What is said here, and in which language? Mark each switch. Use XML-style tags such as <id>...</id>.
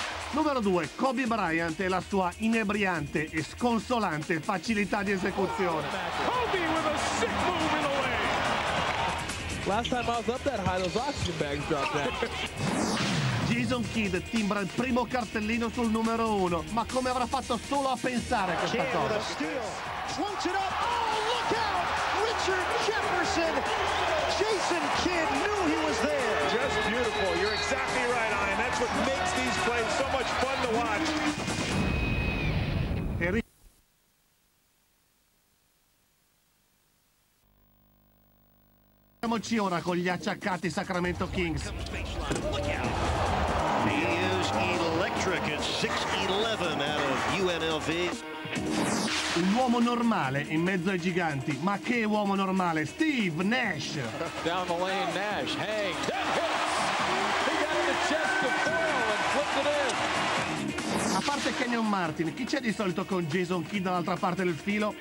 <it>Numero 2, Kobe Bryant e la sua inebriante e sconsolante facilità di esecuzione.</it> <en>Kobe with a sick move in the way. Last time I was up that high, those oxygen bags dropped down.</en> <it>Jason Kidd timbra il primo cartellino sul numero 1, ma come avrà fatto solo a pensare a questa cosa?</it> <en>Oh, look out! Richard Jefferson! Jason Kidd knew he was there! Just beautiful, you're exactly right, Ian. That's what makes these plays so much fun to watch.</en> <it>Andiamoci ora con gli acciaccati Sacramento Kings.</it> <en>He is electric at 6'11 out of UNLV.</en> <it>Un uomo normale in mezzo ai giganti, ma che uomo normale, Steve Nash.</it> <en>Down the lane, Nash hangs, that hits. He got in the chest of Thurl and flipped it in.</en> <it>A parte Kenyon Martin, chi c'è di solito con Jason Kidd dall'altra parte del filo?</it>